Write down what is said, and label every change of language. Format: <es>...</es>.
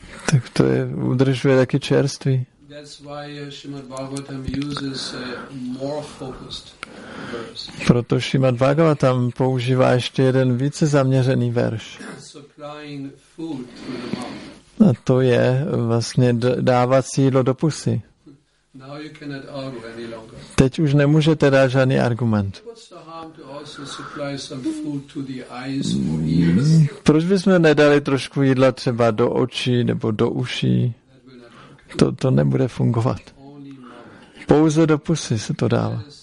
<cs>Tak to je, udržuje taky čerství.</cs> <en>That's why Srimad Bhagavatam uses a more focused verse.</en> <cs>Proto Srimad Bhagavatam používá ještě jeden více zaměřený verš.</cs> <en>Supplying food to the mouth.</en> <cs>A to je vlastně dávat jídlo do pusy.</cs> <en>Now you cannot argue any longer.</en> <cs>Teď už nemůžete dát žádný argument.</cs> <en>What's the harm to also supply some food to the eyes?</en> <cs>Proč bychom nedali trošku jídla třeba do očí nebo do uší? To nebude fungovat. Pouze do pusy se to dává.</cs>